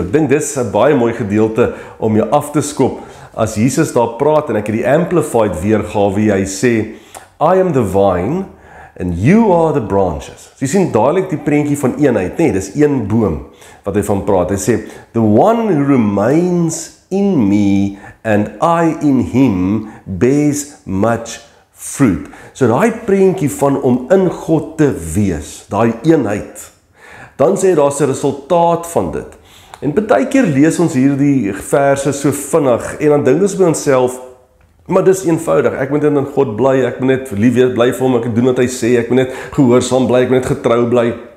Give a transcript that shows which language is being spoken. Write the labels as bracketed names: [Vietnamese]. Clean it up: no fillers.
[Afrikaans] Ek dink dis 'n baie mooi gedeelte om jou af te skop as Jesus daar praat, en ek het die amplified weergawe, hy sê [English] I am the vine and you are the branches. [Afrikaans] So jy sien dadelijk die prentjie van eenheid, nee, dis een boom wat hy van praat. Hy sê, [English] the one who remains in me and I in him bears much fruit. [Afrikaans] So die prentjie van om in God te wees, die eenheid, dan sê daar is 'n resultaat van dit. En baie keer lees ons hierdie verse so vinnig en dan dink ons by onsself, maar dis eenvoudig, ek moet in God bly, ek moet net lief wees, bly vir hom, ek moet doen wat hy sê, ek moet net gehoorsaam bly, ek moet net getrou bly,